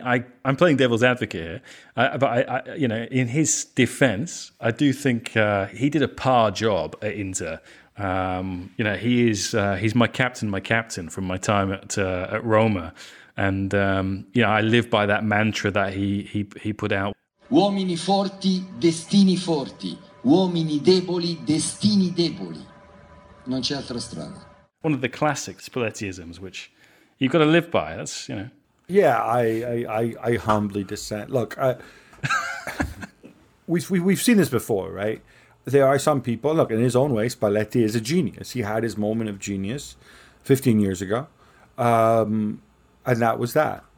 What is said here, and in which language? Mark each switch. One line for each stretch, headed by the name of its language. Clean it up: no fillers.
English: I'm playing devil's advocate here. But in his defence, I do think he did a par job at Inter. You know, he's my captain from my time at Roma. And, I live by that mantra that he put out.
Italian: Uomini forti, destini forti. Uomini deboli, destini deboli. Non c'è altra strada.
English: One of the classic Spallettiisms, which you've got to live by. That's, you know. Yeah, I humbly dissent. Look, we've seen this before, right? There are some people. Look, in his own way, Spalletti is a genius. He had his moment of genius 15 years ago, and that was that.